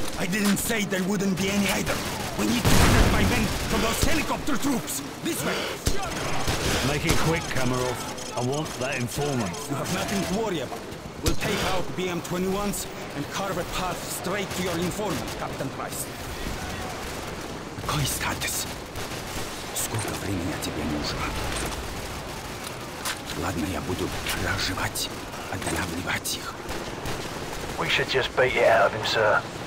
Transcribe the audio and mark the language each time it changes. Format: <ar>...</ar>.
<en>I didn't say there wouldn't be any either. We need to protect my men from those helicopter troops. This way. Make it quick, Kamarov. I want that informant. You have nothing to worry about. We'll take out BM-21s and carve a path straight to your informant, Captain Price.</en> <ru>Какой статус? Сколько времени тебе нужно? Ладно, я буду разжевать, отдавливать их.</ru> <en>We should just beat it out of him, sir.</en>